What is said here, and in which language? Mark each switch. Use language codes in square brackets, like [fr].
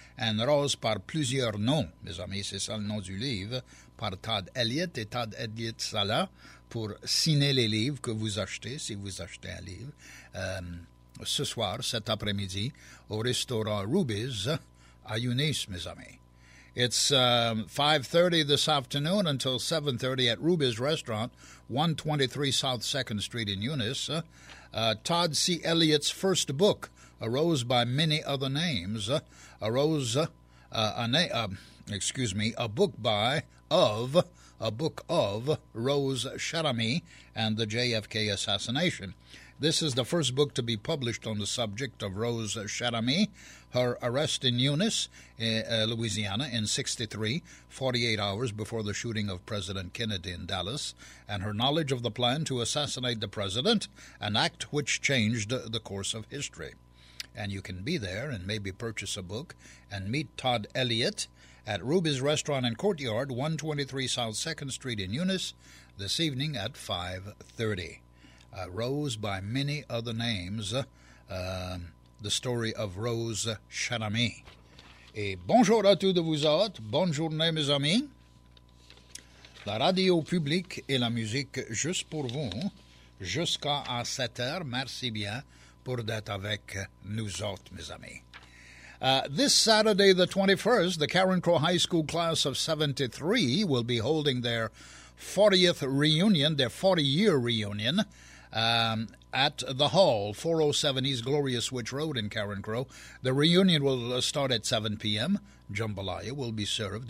[fr] Un rose par plusieurs noms, mes amis, c'est ça le nom du livre, par Todd Elliott. Et Todd Elliott, ça là, pour signer les livres que vous achetez, si vous achetez un livre, ce soir, cet après-midi, au restaurant Ruby's à Eunice, mes amis. [en] It's 5:30 this afternoon until 7:30 at Ruby's Restaurant, 123 South 2nd Street in Eunice. Todd C. Elliott's first book, A Rose by Many Other Names, a book of Rose Sharamy and the JFK assassination. This is the first book to be published on the subject of Rose Sharamy, her arrest in Eunice, Louisiana, in 63, 48 hours before the shooting of President Kennedy in Dallas, and her knowledge of the plan to assassinate the president, an act which changed the course of history. And you can be there and maybe purchase a book and meet Todd Elliott at Ruby's Restaurant and Courtyard, 123 South 2nd Street in Eunice, this evening at 5:30. Rose by Many Other Names, the story of Rose Sharamy. [fr] Et bonjour à tous de vous autres, bonne journée mes amis. La radio publique et la musique juste pour vous, jusqu'à 7h, merci bien pour d'être avec nous autres, mes amis. [en] This Saturday, the 21st, the Karen Crow High School class of 73 will be holding their 40th reunion, their 40-year reunion, at the Hall, 407 East Glorious Switch Road in Karen Crow. The reunion will start at 7 p.m. Jambalaya will be served.